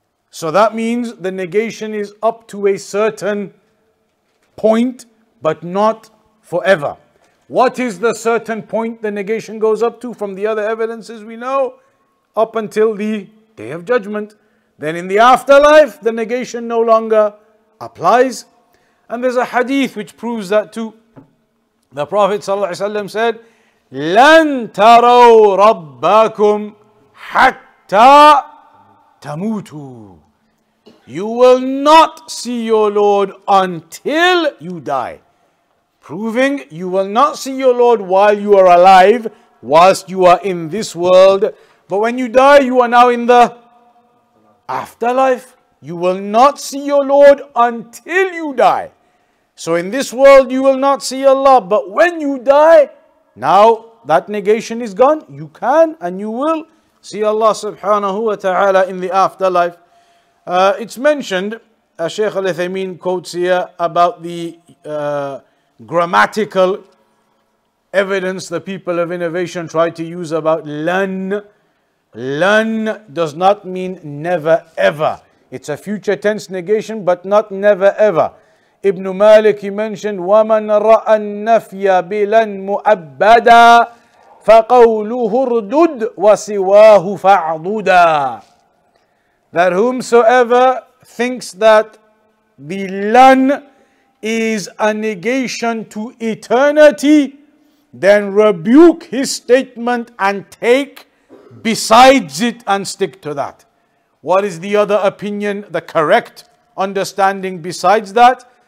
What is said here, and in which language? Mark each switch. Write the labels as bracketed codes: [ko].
[en] So that means the negation is up to a certain point, but not forever. What is the certain point the negation goes up to from the other evidences we know? Up until the Day of Judgment. Then in the afterlife, the negation no longer applies. And there's a hadith which proves that too. The Prophet ﷺ said, [ar] لَن تَرَوْا رَبَّكُمْ حَتَّى تَمُوتُوا. [en] You will not see your Lord until you die. Proving you will not see your Lord while you are alive, whilst you are in this world. But when you die, you are now in the afterlife. You will not see your Lord until you die. So in this world, you will not see Allah. But when you die, now that negation is gone. You can and you will see Allah subhanahu wa ta'ala in the afterlife. It's mentioned, as Shaykh Al-Uthaymeen quotes here, about the grammatical evidence the people of innovation try to use about lan. Lan does not mean never ever. It's a future tense negation, but not never ever. [ar] Ibn Malik, [en] he mentioned, [ar] وَمَنْ رَأَ النَّفْيَ بِلَنْ مُؤَبَّدًا فَقَوْلُهُ رُدُدْ وَسِوَاهُ فَعْضُدًا. [en] That whomsoever thinks that the lan is a negation to eternity, then rebuke his statement and take besides it and stick to that. What is the other opinion, the correct understanding besides that?